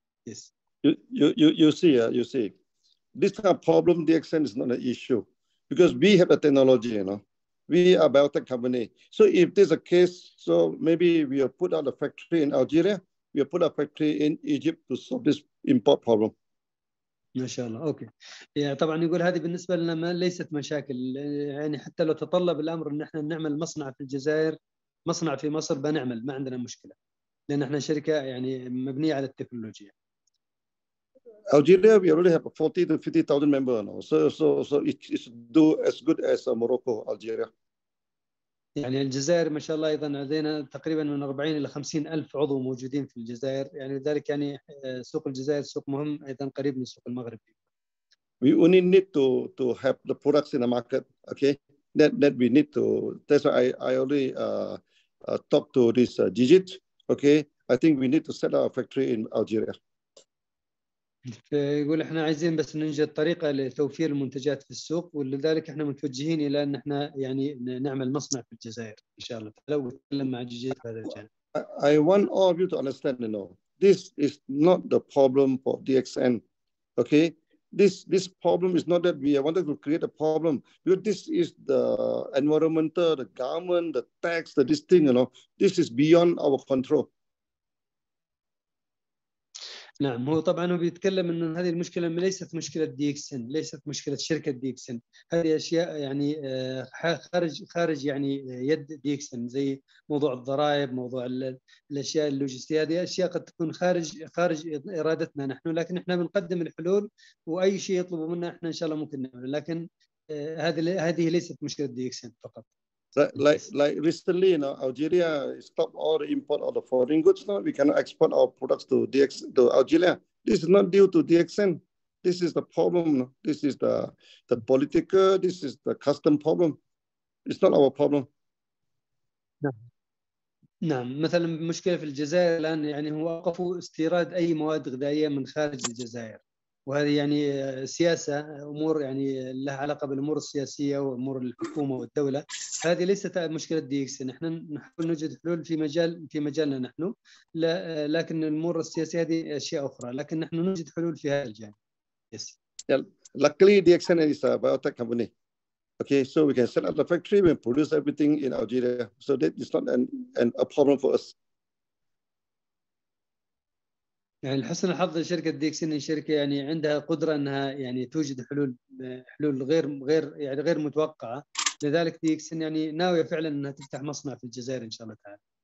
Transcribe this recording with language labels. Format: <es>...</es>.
<en>yes. you see this kind of problem DXN is not an issue because we have a technology you know We are a biotech company. So if there's a case, so maybe we have put out a factory in Algeria, we have put a factory in Egypt to solve this import problem.</en> <ar>ما شاء الله اوكي يعني طبعا يقول هذه بالنسبه لنا ما ليست مشاكل يعني حتى لو تطلب الامر ان احنا نعمل مصنع في الجزائر مصنع في مصر بنعمل ما عندنا مشكله لان احنا شركه يعني مبنيه على التكنولوجيا.</ar> <en>Algeria, we already have 40 to 50,000 members now. So it's do as good as Morocco, Algeria.</en> <ar>يعني الجزائر ما شاء الله أيضا لدينا تقريبا من 40 إلى 50 ألف عضو موجودين في الجزائر. يعني لذلك يعني سوق الجزائر سوق مهم أيضا قريب من سوق المغرب.</ar> <en>We only need to have the products in the market. Okay, that we need to. That's why I already talked to this Digit. Okay, I think we need to set up a factory in Algeria.</en> <ar>يقول احنا عايزين بس ننجد طريقه لتوفير المنتجات في السوق ولذلك احنا متوجهين الى ان احنا يعني نعمل مصنع في الجزائر ان شاء الله لو نتكلم مع جيجيت في هذا الجانب</ar> <en>I want all of you to understand you know this is not the problem for DXN okay this problem is not that we wanted to create a problem. But this is the environmental, the government, the tax, the this thing, you know, this is beyond our control.</en> <ar>نعم هو طبعا هو بيتكلم ان هذه المشكله ليست مشكله دي اكس ان ليست مشكله شركه دي اكس ان هذه اشياء يعني خارج يعني يد دي اكس ان زي موضوع الضرائب موضوع الاشياء اللوجستيه هذه اشياء قد تكون خارج ارادتنا نحن لكن احنا بنقدم الحلول واي شيء يطلبوا منا احنا ان شاء الله ممكن نعمله لكن هذه ليست مشكله دي اكس ان فقط</ar> <en>like recently you know Algeria stopped all the import of the foreign goods now we cannot export our products to DX to Algeria this is not due to DXN this is the problem no? This is the political this is the custom problem it's not our problem</en> <ar>نعم مثلا مشكله في الجزائر الان يعني هو وقفوا استيراد اي مواد غذائيه من خارج الجزائر وهذه يعني سياسة أمور يعني لها علاقة بالأمور السياسية وأمور الحكومة والدولة هذه ليست مشكلة دي إكس إن إحنا نحاول نوجد حلول في مجالنا نحن لا لكن الأمور السياسية هذه أشياء أخرى لكن نحن نوجد حلول في هذا الجانب.</ar> <en>Yes. Yeah. Luckily, DXN is a biotech company. Okay, so we can set up the factory and produce everything in Algeria. So that is not a problem for us.</en> <ar>يعني لحسن الحظ شركة ديكسين شركة يعني عندها قدرة أنها يعني توجد حلول غير يعني غير متوقعة لذلك ديكسين يعني ناوية فعلا أنها تفتح مصنع في الجزائر إن شاء الله تعالى.</ar>